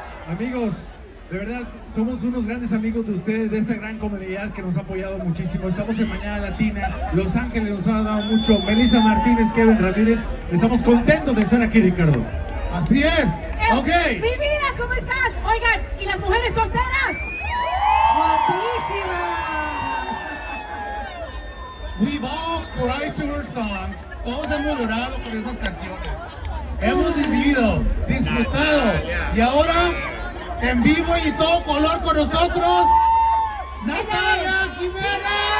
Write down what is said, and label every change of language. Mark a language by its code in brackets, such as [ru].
[es] Amigos, de verdad, somos unos grandes amigos de ustedes, de esta gran comunidad que nos ha apoyado muchísimo. Estamos en Mañana Latina, Los Ángeles nos ha dado mucho. Melissa Martínez, Kevin Ramírez, estamos contentos de estar aquí, Ricardo. Así es. Ok. Mi vida, ¿cómo estás? Oigan, ¿y las mujeres solteras? Guapísimas. [en] We've all cried to her songs. [es] Todos hemos llorado por esas canciones. Hemos vivido, disfrutado. Y ahora, en vivo y todo color con nosotros, Natalia Jimenez.